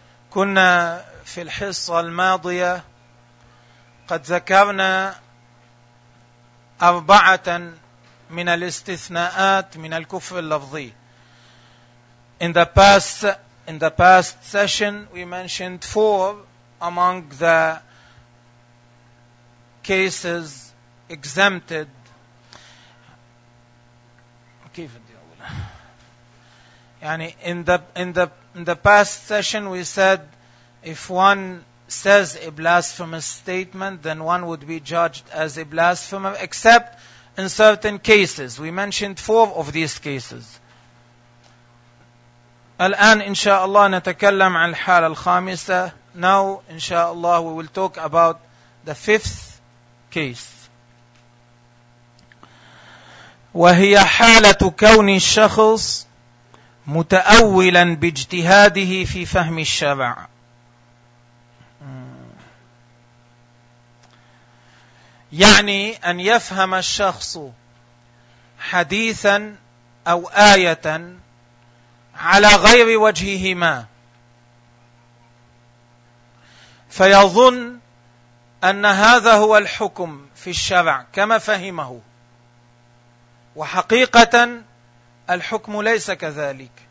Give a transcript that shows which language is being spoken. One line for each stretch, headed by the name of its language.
Arabic: كنا في الحصة الماضية قد ذكرنا أربعة من الاستثناءات من الكفر اللفظي.
English: In the past session we mentioned four among the cases exempted.
Arabic: كيف بدي أقول؟ يعني
English: in the past session we said if one says a blasphemous statement, then one would be judged as a blasphemer, except in certain cases. We mentioned four of these cases.
Arabic: الآن إن شاء الله نتكلم عن الحالة الخامسة.
English: Now,
Arabic: إن شاء الله,
English: we will talk about the fifth case.
Arabic: وهي حالة كون الشخص متأولا باجتهاده في فهم الشرع. يعني أن يفهم الشخص حديثا أو آية على غير وجههما فيظن أن هذا هو الحكم في الشرع كما فهمه، وحقيقة الحكم ليس كذلك.